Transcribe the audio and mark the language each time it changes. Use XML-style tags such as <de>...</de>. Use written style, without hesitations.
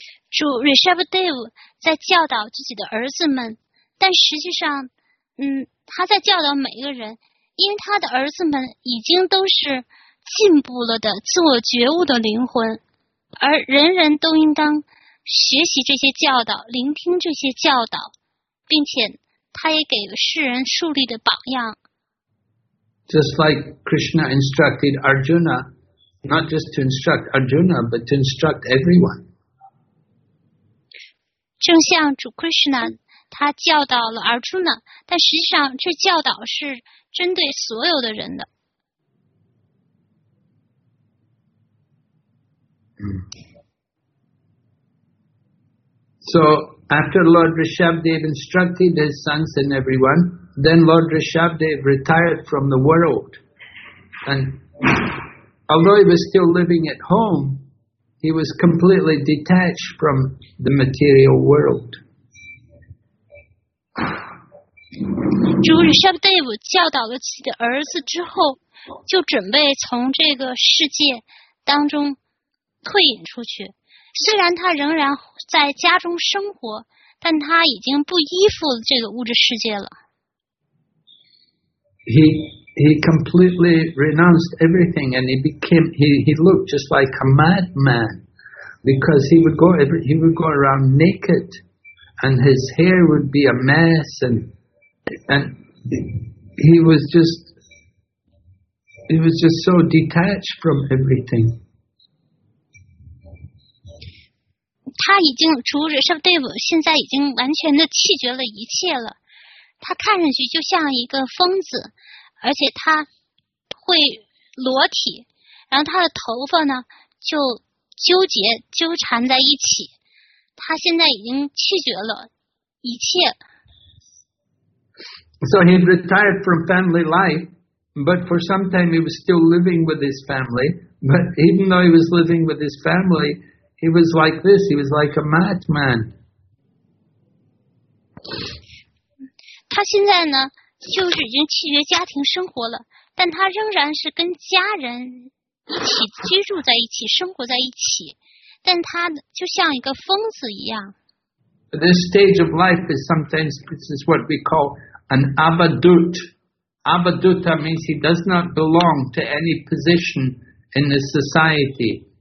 <zh>主 Rishabdev 在教导自己的儿子们，但实际上他在教导每一个人，因为他的儿子们已经都是进步了的自我觉悟的灵魂，而人人都应当学习这些教导，聆听这些教导，并且他也给世人树立的榜样。</zh> <en>Just like Krishna instructed Arjuna, not just to instruct Arjuna, but to instruct everyone.</en> <zh>正像主 Krishna他教导了阿尔朱呢，但实际上这教导是针对所有的人的。</zh> <en>So after Lord Rishabdev instructed his sons and everyone, then Lord Rishabdev retired from the world. And although he was still living at home, he was completely detached from the material world.</en> <zh>主与圣父教导了自己的儿子之后，就准备从这个世界当中退隐出去。虽然他仍然在家中生活，但他已经不依附这个物质世界了。</zh> <en>He completely renounced everything, and he looked just like a madman, because he would go around naked, and his hair would be a mess, and he was just so detached from everything.</en> <zh>他已经主日圣对我现在已经完全的弃绝了一切了，他看上去就像一个疯子。而且他会裸体，然后他的头发呢就纠结纠缠在一起。他现在已经弃绝了一切。</zh> <en>So he retired from family life, but for some time he was still living with his family. But even though he was living with his family, he was like this. He was like a madman.</en> <zh>他现在呢？就是已经弃绝家庭生活了，但他仍然是跟家人一起居住在一起，生活在一起，但他就像一个疯子一样。</zh> <en>This stage of life is sometimes, this is what we call an avadut. Avaduta means he does not belong to any position in the society.</en>